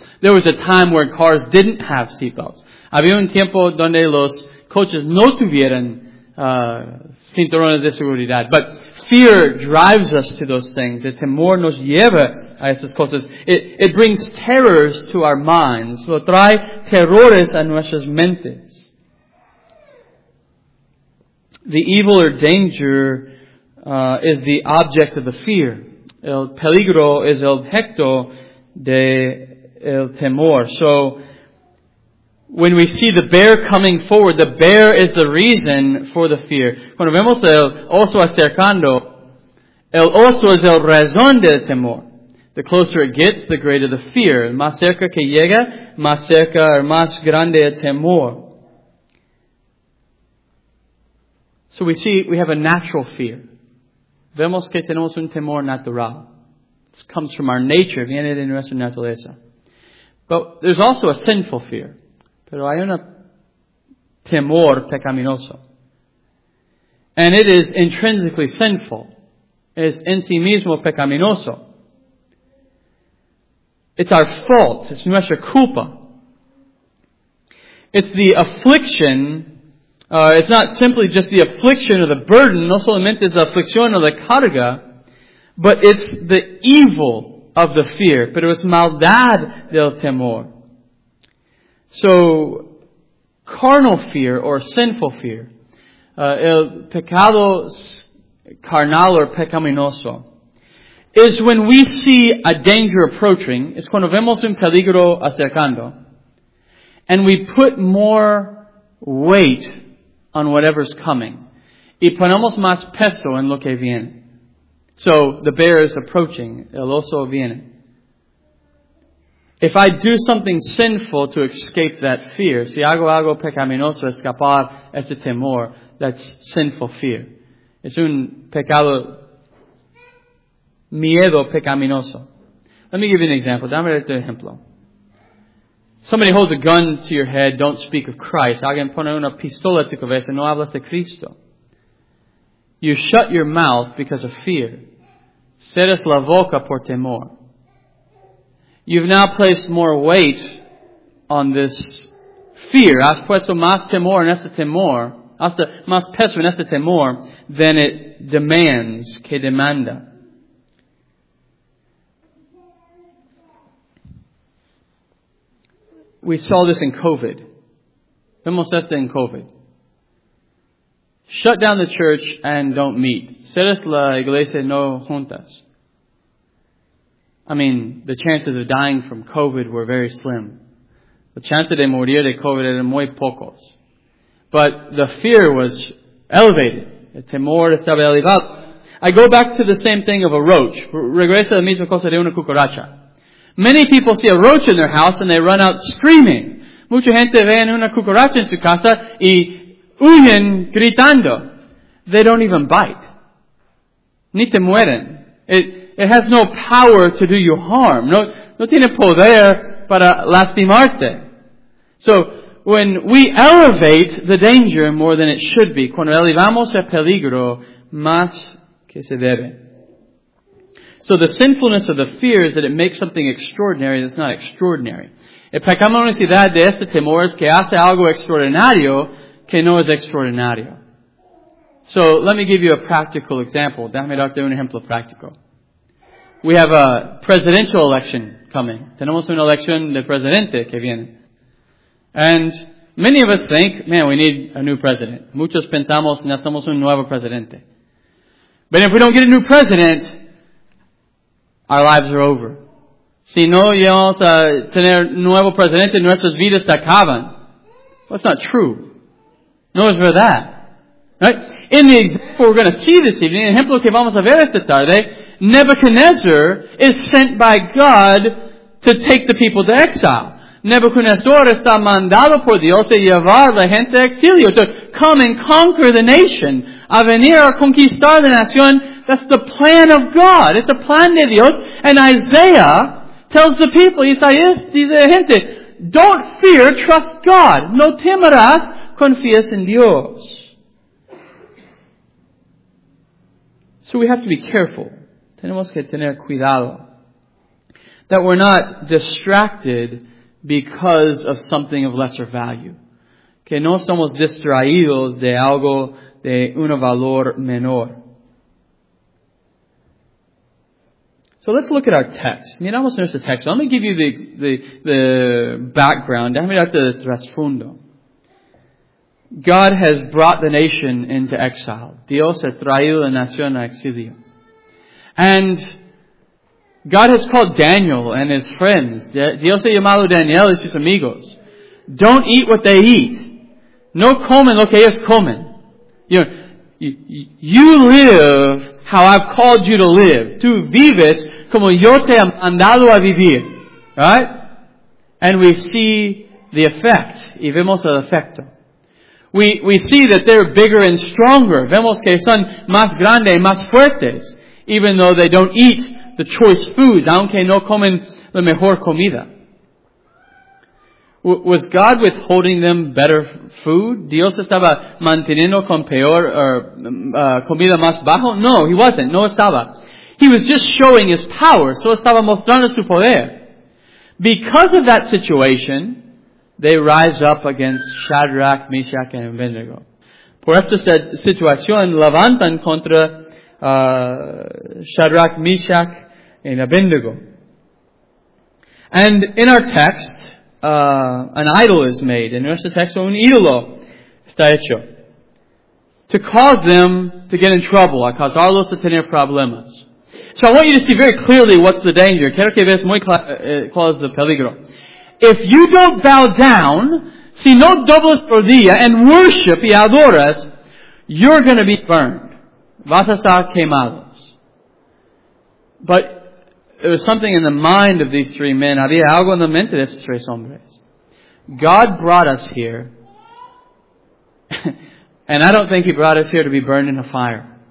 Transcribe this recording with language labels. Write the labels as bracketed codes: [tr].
[en] There was a time where cars didn't have seat belts. [es] Había un tiempo donde los coches no tuvieron cinturones de seguridad. [en] But fear drives us to those things. [es] El temor nos lleva a esas cosas. [en] It brings terrors to our minds. [es] Lo trae terrores a nuestras mentes. [en] The evil or danger is the object of the fear. [es] El peligro es el objeto de el temor. [en] So when we see the bear coming forward, the bear is the reason for the fear. [es] Cuando vemos el oso acercando, el oso es el razón del temor. [en] The closer it gets, the greater the fear. [es] Más cerca que llega, más cerca o más grande el temor. [en] So we see we have a natural fear. [es] Vemos que tenemos un temor natural. [en] It comes from our nature, [es] viene de nuestra naturaleza. [en] But there's also a sinful fear. [es] Pero hay un temor pecaminoso. [en] And it is intrinsically sinful. [es] Es en sí mismo pecaminoso. [en] It's our fault. It's [es] nuestra culpa. [en] It's the affliction. It's not simply just the affliction or the burden. [es] No solamente es la aflicción o la carga. [en] But it's the evil of the fear. [es] Pero es maldad del temor. [en] So, carnal fear or sinful fear, [es] el pecado carnal [en] or pecaminoso, is when we see a danger approaching, [es] es cuando vemos un peligro acercando, [en] and we put more weight on whatever's coming. [es] Y ponemos más peso en lo que viene. [en] So, the bear is approaching, [es] el oso viene. [en] If I do something sinful to escape that fear, [es] si hago algo pecaminoso, escapar ese temor, [en] that's sinful fear. [es] Es un pecado, miedo pecaminoso. [en] Let me give you an example. [es] Dame un ejemplo. [en] Somebody holds a gun to your head, don't speak of Christ. [es] Alguien pone una pistola a tu cabeza, no hablas de Cristo. [en] You shut your mouth because of fear. [es] Cierras la boca por temor. [en] You've now placed more weight on this fear. [es] Has puesto más temor en este temor. Has puesto más peso en este temor [en] than it demands, [es] que demanda. [en] We saw this in COVID. [es] Vemos esto en COVID. [en] Shut down the church and don't meet. [es] Cierres la iglesia no juntas. [en] I mean, the chances of dying from COVID were very slim. The chances [es] de morir de COVID eran muy pocos. [en] But the fear was elevated. [es] El temor estaba elevado. [en] I go back to the same thing of a roach. [es] Regresa la misma cosa de una cucaracha. [en] Many people see a roach in their house and they run out screaming. [es] Mucha gente ve una cucaracha en su casa y huyen gritando. [en] They don't even bite. [es] Ni te mueren. [en] It has no power to do you harm. [es] No tiene poder para lastimarte. [en] So, when we elevate the danger more than it should be, [es] cuando elevamos el peligro más que se debe. [en] So, the sinfulness of the fear is that it makes something extraordinary that's not extraordinary. [es] El pecaminosidad de este temor es que hace algo extraordinario que no es extraordinario. [en] So, let me give you a practical example. [es] Dame darte un ejemplo práctico. [en] We have a presidential election coming. [es] Tenemos una elección de presidente que viene. [en] And many of us think, man, we need a new president. [es] Muchos pensamos, necesitamos un nuevo presidente. [en] But if we don't get a new president, our lives are over. [es] Si no llegamos a tener nuevo presidente, nuestras vidas se acaban. [en] Well, that's not true. [es] No es verdad. [en] Right? In the example we're going to see this evening, in [es] ejemplo que vamos a ver esta tarde, [en] Nebuchadnezzar is sent by God to take the people to exile. [es] Nebuchadnezzar está mandado por Dios a llevar la gente a exilio, [en] to come and conquer the nation, [es] a venir a conquistar la nación. [en] That's the plan of God. It's a plan [es] de Dios. [en] And Isaiah tells the people, [es] Isaías dice a gente, [en] don't fear, trust God. [es] No temerás, confías en Dios. [en] So we have to be careful. [es] Tenemos que tener cuidado. [en] That we're not distracted because of something of lesser value. [es] Que no somos distraídos de algo de un valor menor. [en] So let's look at our text. [es] Miramos nuestro texto. [en] Let me give you the background. [es] Déjame darte el trasfondo. [en] God has brought the nation into exile. [es] Dios ha traído la nación a exilio. [en] And God has called Daniel and his friends. [es] Dios ha llamado Daniel y sus amigos. [en] Don't eat what they eat. [es] No comen lo que ellos comen. [en] You know, you live how I've called you to live. [es] Tú vives como yo te he mandado a vivir. [en] Right? And we see the effect. [es] Y vemos el efecto. [en] We see that they're bigger and stronger. [es] Vemos que son más grandes y más fuertes. [en] Even though they don't eat the choice food, [es] aunque no comen la mejor comida. [en] Was God withholding them better food? [es] Dios estaba manteniendo con peor comida más bajo? [en] No, he wasn't. [es] No estaba. [en] He was just showing his power. So [es] estaba mostrando su poder. [en] Because of that situation, they rise up against Shadrach, Meshach, and Abednego. [es] Por esta situación, levantan contra Shadrach, Meshach, and Abednego. [en] And in our text, an idol is made. [es] En nuestro texto, un ídolo está hecho. [en] To cause them to get in trouble, [es] a causarlos a tener problemas. [en] So I want you to see very clearly what's the danger. [es] Quiero que veas muy claro el peligro. [en] If you don't bow down, [es] si no doblas rodilla, [en] and worship [es] y adoras, [en] you're going to be burned. [es] Vas a estar quemados. [en] But it was something in the mind of these three men. [es] Había algo en la mente de estos tres hombres. [en] God brought us here. And I don't think he brought us here to be burned in a fire.